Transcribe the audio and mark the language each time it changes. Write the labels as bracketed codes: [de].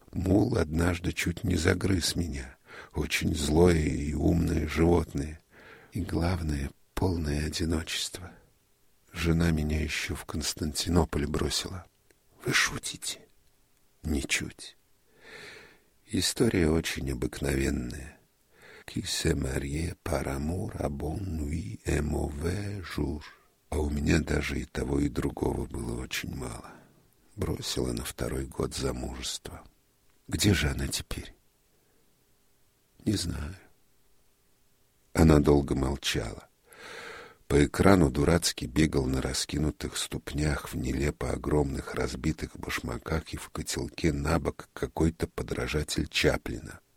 [ru] Мул однажды чуть не загрыз меня, очень злое и умное животное, и, главное, полное одиночество». Жена меня еще в Константинополь бросила. «Вы шутите?» «Ничуть. История очень обыкновенная. [fr] Qui se marie par amour à bon nuit et mauvais jour. [ru] А у меня даже и того, и другого было очень мало. Бросила на второй год замужества. Где же она теперь?» «Не знаю». Она долго молчала. По экрану дурацкий бегал на раскинутых ступнях в нелепо огромных разбитых башмаках и в котелке на бок какой-то подражатель Чаплина.